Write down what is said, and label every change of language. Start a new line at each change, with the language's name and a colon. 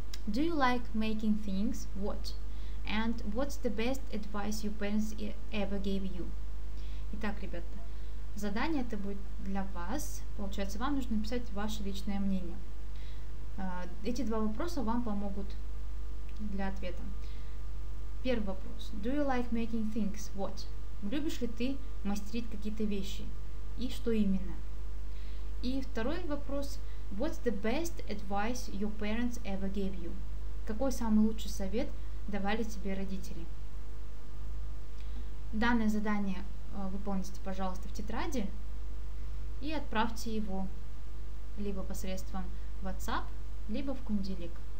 English: Do you like making things? What? And what's the best advice your parents ever gave you?
Russian: Итак, ребята, задание это будет для вас. Получается, вам нужно написать ваше личное мнение. Эти два вопроса вам помогут для ответа. Первый вопрос.
English: Do you like making things? What?
Russian: Любишь ли ты мастерить какие-то вещи? И что именно? И второй вопрос.
English: What's the best advice your parents ever gave you?
Russian: Какой самый лучший совет давали тебе родители? Данное задание выполните, пожалуйста, в тетради и отправьте его либо посредством WhatsApp, либо в Кунделик.